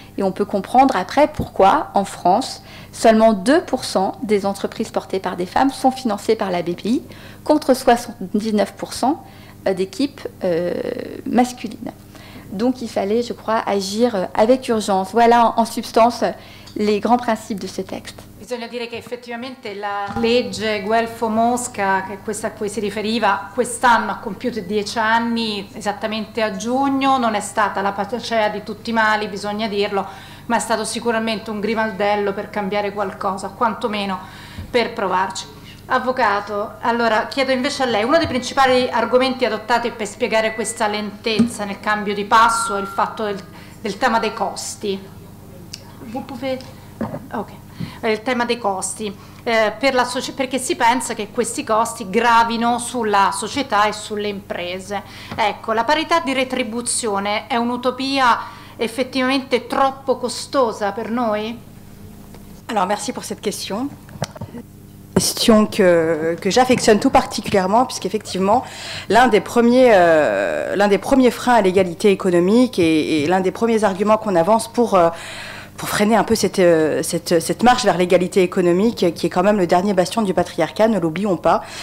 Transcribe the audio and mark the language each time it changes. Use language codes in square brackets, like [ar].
[fr] Et on peut comprendre après pourquoi, en France, seulement 2% des entreprises portées par des femmes sont financées par la BPI, contre 79% d'équipes masculines. Donc il fallait, je crois, agir avec urgence. Voilà en substance les grands principes de ce texte. [it] Bisogna dire che effettivamente la legge Guelfo-Mosca, che è questa a cui si riferiva, quest'anno ha compiuto 10 anni, esattamente a giugno, non è stata la panacea di tutti i mali, bisogna dirlo, ma è stato sicuramente un grimaldello per cambiare qualcosa, quantomeno per provarci. Avvocato, allora chiedo invece a lei, uno dei principali argomenti adottati per spiegare questa lentezza nel cambio di passo è il fatto del tema dei costi. Ok. Il tema dei costi, perché si pensa che questi costi gravino sulla società e sulle imprese. Ecco, la parità di retribuzione è un'utopia effettivamente troppo costosa per noi? Allora, merci per questa question. [fr] Question que j'affectionne tout particulièrement, puisqu'effectivement, l'un des premiers freins à l'égalité économique et l'un des premiers arguments qu'on avance pour freiner un peu cette marche vers l'égalité économique, qui est quand même le dernier bastion du patriarcat, ne l'oublions pas.